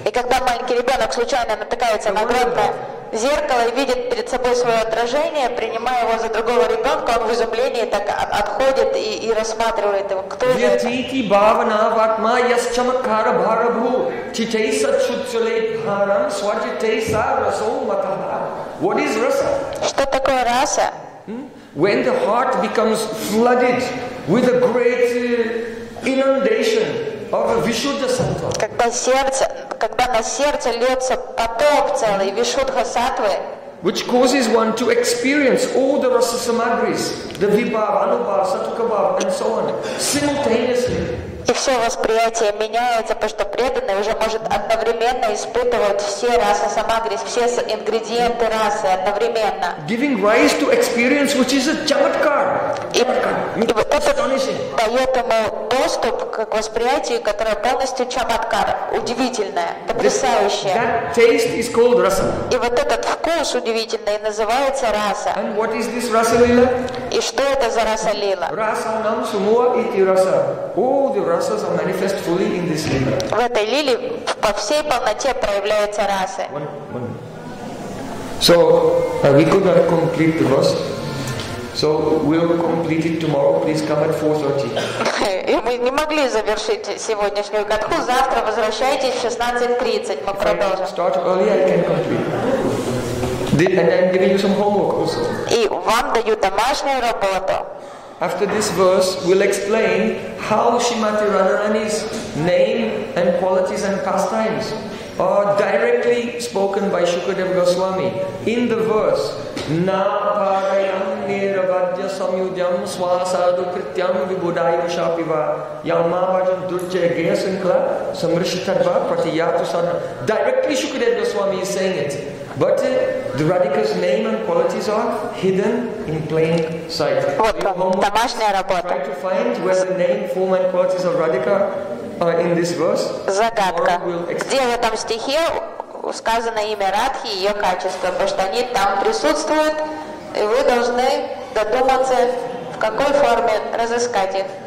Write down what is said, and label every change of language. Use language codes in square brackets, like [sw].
[ru] И когда маленький ребенок случайно натыкается на огромное зеркало и видит перед собой свое отражение, принимая его за другого ребенка, он в изумлении так отходит и рассматривает его. Кто же это? Вятити бхавана ватма ясчамакара бхарабху читейса чуцулей бхарам сватитейса расоу матаха. [en] What is rasa? [ru] Что такое раса? [en] When the heart becomes flooded with a great inundation of Vishuddha Sattva. [ru] Когда на сердце льется поток целый Вишудха Сатвы. [en] Which causes one to experience all the rasa samagris, the vibhav, anubhav, satukabhav, and so on, simultaneously. [ru] И все восприятие меняется, потому что преданный уже может одновременно испытывать все расы самагрис, все ингредиенты расы одновременно. [en] Giving rise to experience, which is a chamatkar. [ru] И вот это дает ему то, доступ к восприятию, которое полностью чамадкара. Удивительное, потрясающее. [en] That taste is called rasa. [ru] И вот этот вкус удивительный называется раса. [en] And what is this rasa-lila? [ru] И что это за раса-лила? Rasa nam sumua iti rasa. [en] All the rasas are manifest fully in this lila. [ru] В этой лиле по всей полноте проявляются расы. [en] So, we could not complete the verse. So, we'll complete it tomorrow. Please come at 4:30. [ru] Мы не могли завершить сегодняшнюю катху. Завтра возвращайтесь в 16:30. Мы продолжим. [en] Start early, I can complete. And I'm giving you some homework also. [ru] И вам даю домашнюю работу. [en] After this verse, we'll explain how Shrimati Radharani's name and qualities and pastimes are directly spoken by Shukadeva Goswami in the verse Naparayam Niravadya Samyudyam Swasadu Krityam Vibhudayu Shapiva Yamavajan Durje Gayasankla Samrishitarva Pratiyatu Sadhana. Directly Shukadeva Goswami is saying it. But the Radhika's name and qualities are hidden in plain sight. [ru] Домашняя работа. [en] Try to find where the name, form and qualities of Radhika in this verse. [ru] Загадка. Где в этом стихе сказано имя Радхи и ее качество, потому что они там присутствуют, и вы должны додуматься, в какой форме разыскать их.